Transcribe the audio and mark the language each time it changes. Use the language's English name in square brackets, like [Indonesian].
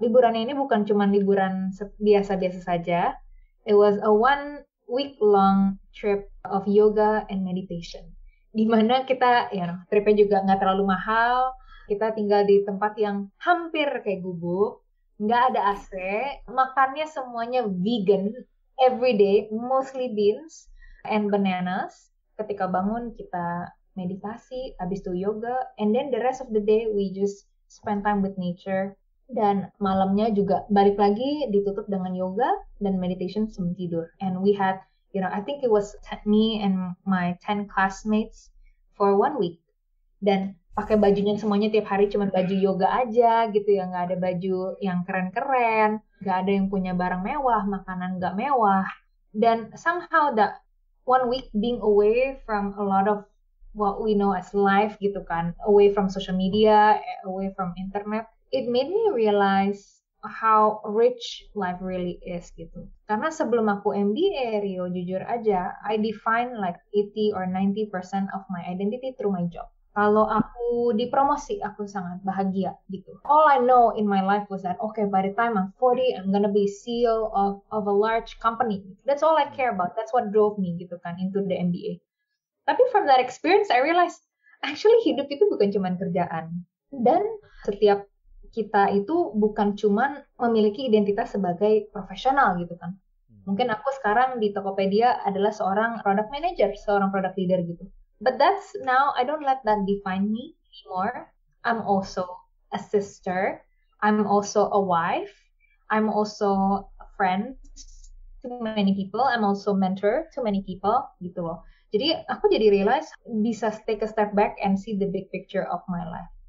[Indonesian] Liburannya ini bukan cuma liburan biasa-biasa saja. [English] It was a 1 week long trip of yoga and meditation. [Indonesian] Dimana kita, ya, tripnya juga nggak terlalu mahal, kita tinggal di tempat yang hampir kayak gubuk, nggak ada AC, makannya semuanya vegan, [English] every day, mostly beans and bananas. [Indonesian] Ketika bangun, kita meditasi, habis itu yoga, [English] and then the rest of the day, we just spend time with nature. [Indonesian] Dan malamnya juga balik lagi ditutup dengan yoga dan meditation sebelum tidur. [English] And we had, you know, I think it was me and my 10 classmates for 1 week. [Indonesian] Dan pakai bajunya semuanya tiap hari cuma baju yoga aja gitu ya, nggak ada baju yang keren-keren, nggak ada yang punya barang mewah, makanan nggak mewah. Dan somehow that [English] 1 week being away from a lot of what we know as life [Indonesian] gitu kan, [English] away from social media, away from internet, it made me realize how rich life really is gitu. [Indonesian] Karena sebelum aku MBA, Rio, jujur aja, [English] I define like 80 or 90% of my identity through my job. [Indonesian] Kalau aku dipromosi, aku sangat bahagia gitu. [English] All I know in my life was that, okay, by the time I'm 40, I'm gonna be CEO of a large company. That's all I care about. That's what drove me [Indonesian] gitu kan, [English] into the MBA. [Indonesian] Tapi [English] from that experience, I realized, actually [Indonesian] hidup itu bukan cuma kerjaan. Dan setiap kita itu bukan cuma memiliki identitas sebagai profesional gitu kan. Mungkin aku sekarang di Tokopedia adalah seorang product manager, seorang product leader gitu. [English] But that's now, I don't let that define me anymore. I'm also a sister. I'm also a wife. I'm also a friend to many people. I'm also a mentor to many people, [Indonesian] gitu loh. Jadi aku jadi [English] realize [Indonesian] bisa [English] take a step back and see the big picture of my life.